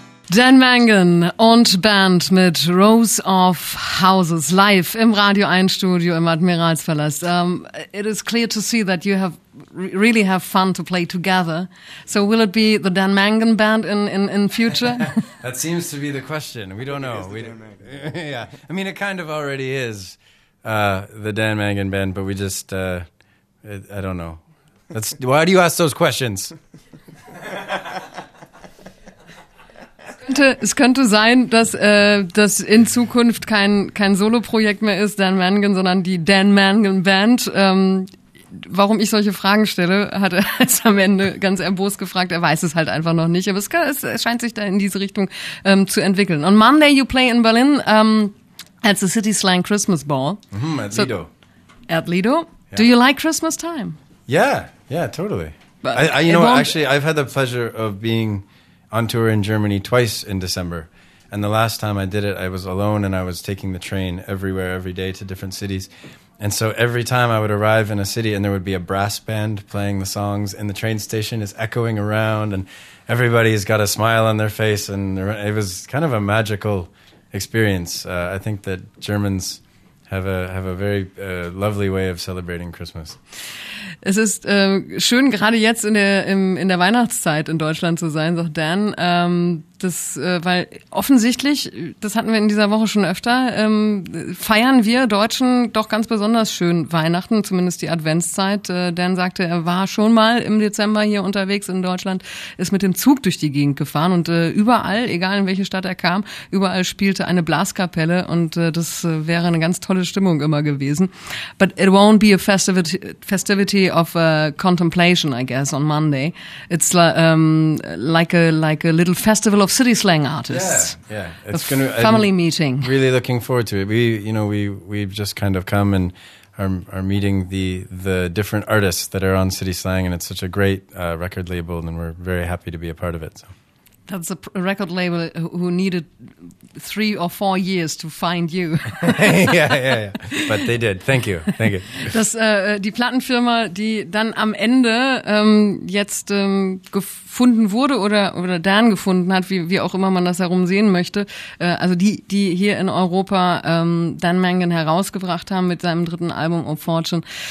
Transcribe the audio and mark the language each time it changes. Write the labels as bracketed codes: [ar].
[de] Dan Mangan und Band mit Rows of Houses live im Radio 1 Studio im Admiralspalast. [en] It is clear to see that you have really have fun to play together. So will it be the Dan Mangan Band in future? That seems to be the question. We don't know. I mean, it kind of already is the Dan Mangan Band, but we just, I don't know. That's, why do you ask those questions? [de] Es könnte sein, dass das in Zukunft kein Solo-Projekt mehr ist, Dan Mangan, sondern die Dan Mangan Band. Warum ich solche Fragen stelle, hat er jetzt am Ende ganz erbost gefragt. Er weiß es halt einfach noch nicht. Aber es scheint sich da in diese Richtung zu entwickeln. [en] On Monday you play in Berlin at the City Slang Christmas Ball. Mm-hmm, at Lido. At Lido? Yeah. Do you like Christmas time? Yeah, totally. But I've had the pleasure of being on tour in Germany twice in December. And the last time I did it, I was alone and I was taking the train everywhere, every day to different cities. And so every time I would arrive in a city and there would be a brass band playing the songs and the train station is echoing around and everybody's got a smile on their face, and it was kind of a magical experience. I think that Germans have a very lovely way of celebrating Christmas. [de] Es ist schön, gerade jetzt in der Weihnachtszeit in Deutschland zu sein, sagt Dan. Weil offensichtlich, das hatten wir in dieser Woche schon öfter, feiern wir Deutschen doch ganz besonders schön Weihnachten, zumindest die Adventszeit. Dan sagte, er war schon mal im Dezember hier unterwegs in Deutschland, ist mit dem Zug durch die Gegend gefahren und überall, egal in welche Stadt er kam, überall spielte eine Blaskapelle und das wäre eine ganz tolle Stimmung immer gewesen. [en] But it won't be a festivity of contemplation, I guess, on Monday. It's like a little festival of city slang artists. Yeah, it's gonna family meeting. Really looking forward to it. We've just kind of come and are meeting the different artists that are on City Slang, and it's such a great record label, and we're very happy to be a part of it. So. That's a record label who needed 3 or 4 years to find you. yeah. But they did. Thank you. [de] Das die Plattenfirma, die dann am Ende jetzt gefunden wurde oder Dan gefunden hat, wie auch immer man das herum sehen möchte, also die hier in Europa Dan Mangan herausgebracht haben mit seinem dritten Album Oh Fortune,